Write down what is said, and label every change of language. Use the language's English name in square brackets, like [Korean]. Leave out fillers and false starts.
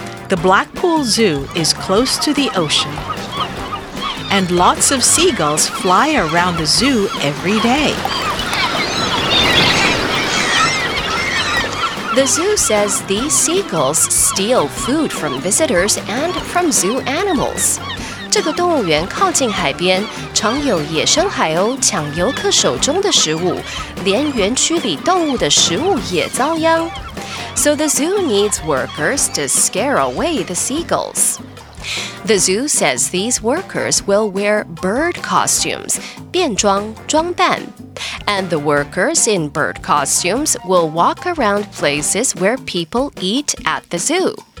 [English] The Blackpool Zoo is close to the ocean. And lots of seagulls fly around the zoo every day. The zoo says these seagulls steal food from visitors and from zoo animals. [Chinese] 这个动物园靠近海边，常有野生海鸥抢游客手中的食物，连园区里动物的食物也遭殃。 [English] So the zoo needs workers to scare away the seagulls. The zoo says these workers will wear bird costumes, [Chinese] 便装装扮。 [English] And the workers in bird costumes will walk around places where people eat at the zoo.